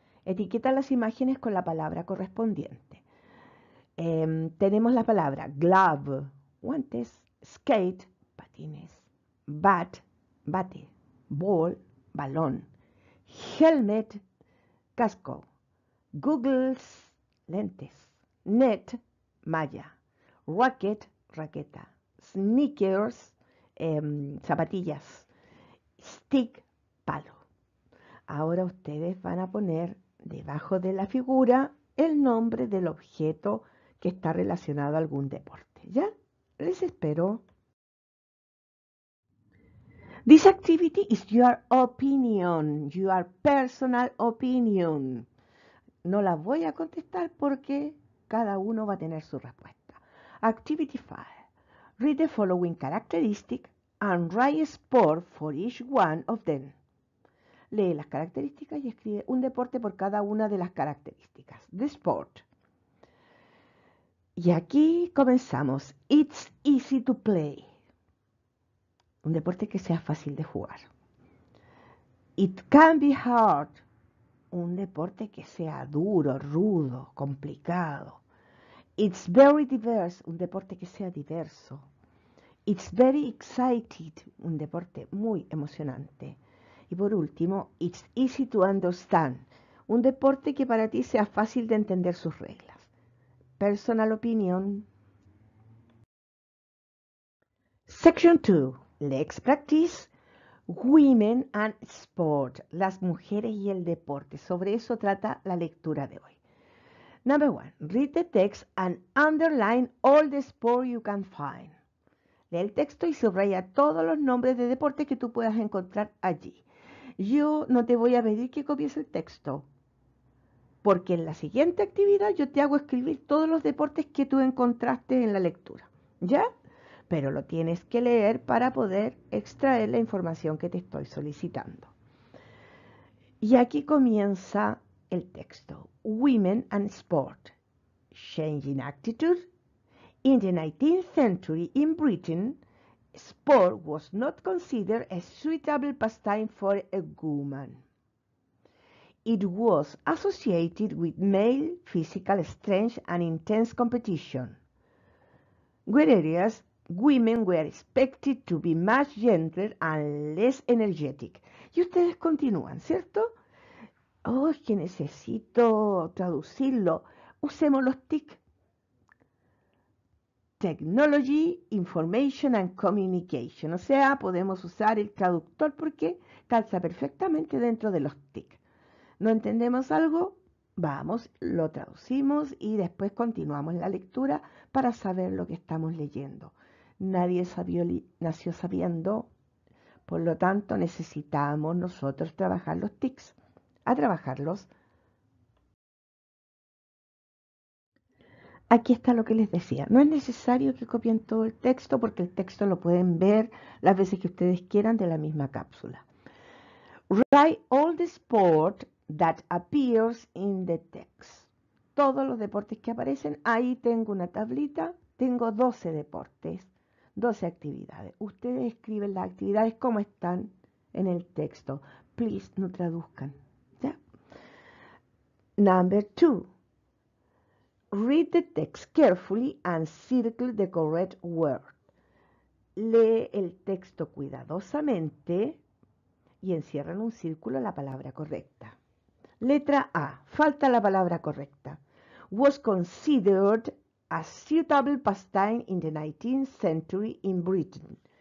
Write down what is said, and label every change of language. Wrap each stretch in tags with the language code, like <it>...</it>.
<es>Etiqueta las imágenes con la palabra correspondiente. Tenemos la palabra glove, guantes, skate, patines, bat, bate, ball, balón, helmet, casco, goggles, lentes, net, malla, racket, raqueta, sneakers, zapatillas. Stick, palo. Ahora ustedes van a poner debajo de la figura el nombre del objeto que está relacionado a algún deporte. ¿Ya? Les espero.</es> <en>This activity is your opinion, your personal opinion.</en> <es>No la voy a contestar porque cada uno va a tener su respuesta.</es> <en>Activity 5. Read the following characteristics. And write a sport for each one of them.</en> <es>Lee las características y escribe un deporte por cada una de las características.</es> <en>The sport.</en> <es>Y aquí comenzamos.</es> <en>It's easy to play.</en> <es>Un deporte que sea fácil de jugar.</es> <en>It can be hard.</en> <es>Un deporte que sea duro, rudo, complicado.</es> <en>It's very diverse.</en> <es>Un deporte que sea diverso.</es> <en>It's very excited,</en> <es>un deporte muy emocionante. Y por último,</es> <en>it's easy to understand,</en> <es>un deporte que para ti sea fácil de entender sus reglas.</es> <en>Personal opinion. Section 2. Let's practice women and sport,</en> <es>las mujeres y el deporte. Sobre eso trata la lectura de hoy.</es> <en>Number 1. Read the text and underline all the sport you can find.</en> <es>Lee el texto y subraya todos los nombres de deporte que tú puedas encontrar allí. Yo no te voy a pedir que copies el texto, porque en la siguiente actividad yo te hago escribir todos los deportes que tú encontraste en la lectura. ¿Ya? Pero lo tienes que leer para poder extraer la información que te estoy solicitando. Y aquí comienza el texto.</es> <en>Women and Sport. Changing Attitude. In the 19th century in Britain, sport was not considered a suitable pastime for a woman. It was associated with male physical strength and intense competition, whereas women were expected to be much gentler and less energetic.</en> <es>Y ustedes continúan, ¿cierto? Oh, es que necesito traducirlo. Usemos los tics.</es> <en>Technology, Information and Communication.</en> <es>O sea, podemos usar el traductor porque calza perfectamente dentro de los TIC. ¿No entendemos algo? Vamos, lo traducimos y después continuamos la lectura para saber lo que estamos leyendo. Nadie nació sabiendo, por lo tanto necesitamos nosotros trabajar los TICs, a trabajarlos. Aquí está lo que les decía. No es necesario que copien todo el texto porque el texto lo pueden ver las veces que ustedes quieran de la misma cápsula.</es> <en>Write all the sport that appears in the text.</en> <es>Todos los deportes que aparecen. Ahí tengo una tablita. Tengo 12 deportes, 12 actividades. Ustedes escriben las actividades como están en el texto. Please, no traduzcan. ¿Ya?</es> <en>Number 2. Read the text carefully and circle the correct word.</en> <es>Lee el texto cuidadosamente y encierra en un círculo la palabra correcta. Letra A. Falta la palabra correcta.</es> <en>Was considered a suitable pastime in the 19th century in Britain.</en>